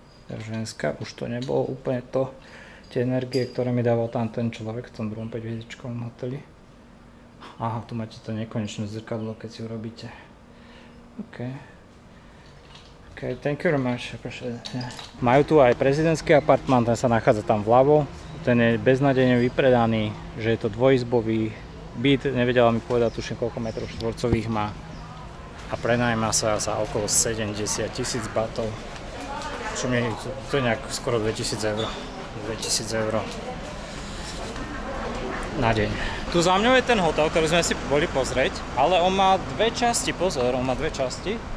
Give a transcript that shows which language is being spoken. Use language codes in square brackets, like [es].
[sk] Ženská, už to nebolo úplne to, tie energie, ktoré mi dával tam ten človek v tom druhom 5-hviezdičkovom hoteli. Aha, tu máte to nekonečné zrkadlo, keď si urobíte. OK. [en] OK, thank you very much. [sk] Majú tu aj prezidentský apartmán, ten sa nachádza tam vľavo. Ten je beznadejne vypredaný, že je to dvojizbový byt. Nevedela mi povedať, tuším, koľko metrov štvorcových má. A prenajíma sa okolo 70 000 batov. Čo mi to je nejak skoro 2000 €. 2000 € na deň. Tu za mňou je ten hotel, ktorý sme si boli pozrieť, ale on má dve časti, pozor, on má dve časti.